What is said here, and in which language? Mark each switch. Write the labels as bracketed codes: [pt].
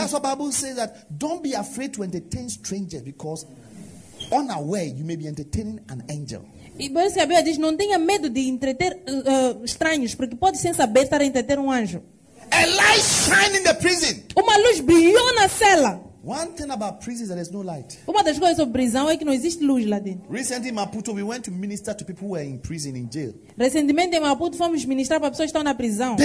[en] That's what the Bible says that don't be afraid to entertain strangers because unaware you may be entertaining an angel. [pt] E por isso que a Bíblia diz não tenha medo de entreter estranhos porque pode sem saber estar a entreter anjo. [en] A light shine in the prison. [pt] Uma luz brilhou na cela. [en] One thing about prisons that there is no light. [pt] Uma das coisas sobre prisão é que não existe luz lá dentro. [en] Recently in Maputo we went to minister to people who were in prison in jail. [pt] Recentemente em Maputo fomos ministrar para pessoas que estão na prisão.